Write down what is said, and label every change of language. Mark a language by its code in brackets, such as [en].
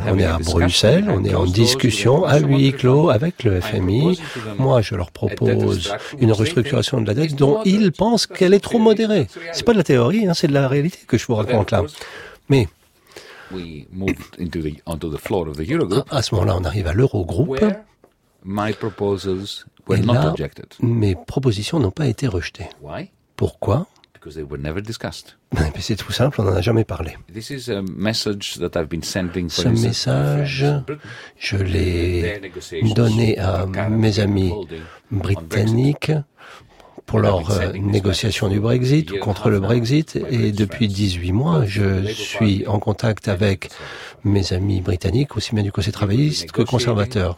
[fr] On est à Bruxelles, on est en discussion à huis clos avec le FMI. Moi, je leur propose une restructuration de la dette dont ils pensent qu'elle est trop modérée. C'est pas de la théorie, hein, c'est de la réalité que je vous raconte là. Mais [en] we moved into the onto the floor of the Eurogroup. [fr] À ce moment-là, on arrive à l'Eurogroupe. [en] My proposals were not rejected. [fr] Mes propositions n'ont pas été rejetées. [en] Why? [fr] Pourquoi? [en] Because they were never discussed. [fr] Mais c'est tout simple, on n'en a jamais parlé. [en] This is a message that I've been sending. [fr] Ce message, je l'ai donné à mes amis britanniques pour leurs négociations du Brexit ou contre le Brexit. Et depuis 18 mois, je suis en contact avec mes amis britanniques, aussi bien du côté travailliste que conservateur.